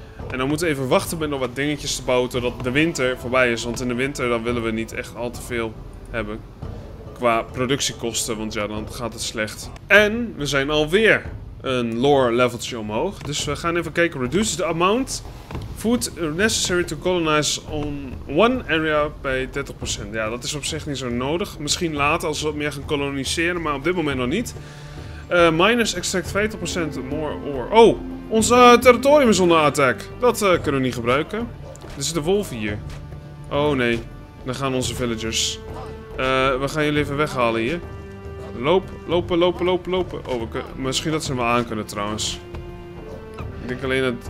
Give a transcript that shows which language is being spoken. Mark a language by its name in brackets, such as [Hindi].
[Dutch] En dan moeten we even wachten met nog wat dingetjes te bouwen totdat de winter voorbij is. Want in de winter dan willen we niet echt al te veel hebben qua productiekosten, want ja, dan gaat het slecht. En we zijn alweer een lore leveltje omhoog. Dus we gaan even kijken. [English] Reduce the amount food necessary to colonize on one area by 30%. [Dutch] Ja, dat is op zich niet zo nodig. Misschien later als we wat meer gaan koloniseren, maar op dit moment nog niet. [English] Miners extract 50% more ore. [Dutch] Oh, ons territorium is onder attack. Dat kunnen we niet gebruiken. Er zitten wolven hier. Oh nee, daar gaan onze villagers. We gaan jullie even weghalen hier. Lopen. Oh, misschien dat ze hem wel aan kunnen trouwens. Ik denk alleen dat...